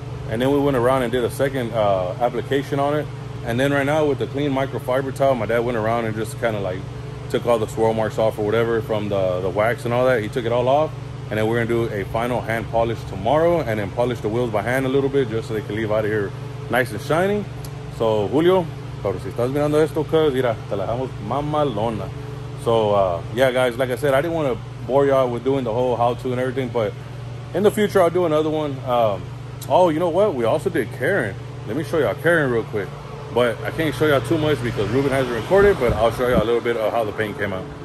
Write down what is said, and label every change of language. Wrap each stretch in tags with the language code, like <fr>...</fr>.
<en>And then we went around and did a second application on it. And then right now with the clean microfiber towel, my dad went around and just kind of like took all the swirl marks off or whatever from the wax and all that. He took it all off. And then we're going to do a final hand polish tomorrow and then polish the wheels by hand a little bit just so they can leave out of here nice and shiny.</en> <es>So, Julio, pero si estás mirando esto, cuz, mira, te la dejamos mamalona.</es> <en>So, yeah, guys, like I said, I didn't want to bore y'all with doing the whole how-to and everything. But in the future, I'll do another one. Oh, you know what? We also did Karen. Let me show y'all Karen real quick. But I can't show y'all too much because Ruben hasn't recorded, but I'll show y'all a little bit of how the paint came out.</en>